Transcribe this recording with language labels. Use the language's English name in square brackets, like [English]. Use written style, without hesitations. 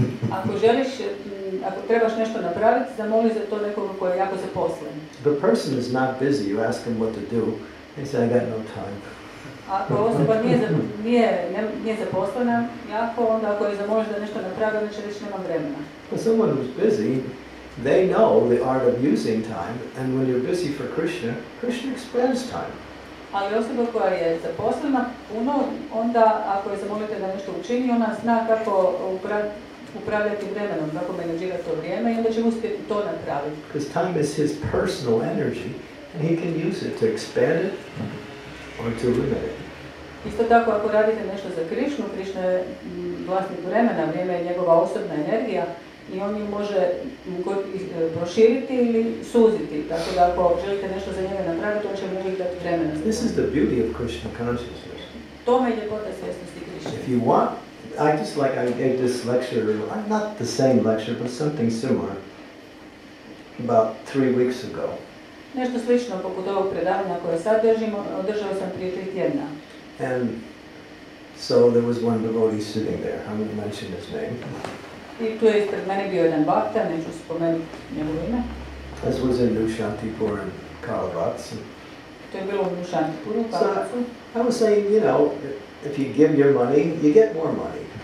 [Croatian] Ako želiš, ako trebaš nešto napraviti, zamoli za to nekog koji je jako zaposlen. [English] The person is not busy, you ask him what to do, they say, I got no time. [Croatian] Ako osoba nije zaposlena jako, onda ako je zamoliš da nešto napravi, on će reći, nemam vremena. [English] But someone who's busy, they know the art of using time, and when you're busy for Krishna, Krishna expands time. [Croatian] Ali osoba koja je zaposlena puno, onda ako je zamolite da nešto učini, ona zna kako upravljati vremenom, kako menadžirati to vrijeme i onda će uspjeti to napraviti. [English] Because time is his personal energy, and he can use it to expand it or to limit it. [Croatian] Isto tako, ako radite nešto za Krišnu, Krišna je vlasnik vremena, vrijeme je njegova osobna energija, i on ju može proširiti ili suziti. Tako da ako želite nešto za njega napraviti, on će mu uvijek dati vremena. [English] This is the beauty of Krishna consciousness. [Croatian] Tome je ljepota svjesnosti Krishna. [English] If you want, I just like I gave this lecture, not the same lecture, but something similar, about 3 weeks ago. [Croatian] Nešto slično poput ovog predavanja koje sad držimo, održao sam prije 3 tjedna. [English] And so there was one devotee sitting there. I'm going to mention his name. [Croatian] I tu je ispred mene bio jedan bhakta, neću spomenuti njegovo ime. [English] This was in Nushantipur in Kalabatsu. [Croatian] To je bilo u Nushantipuru, Kalabatsu. [English] So I was saying, you know, if you give your money, you get more money.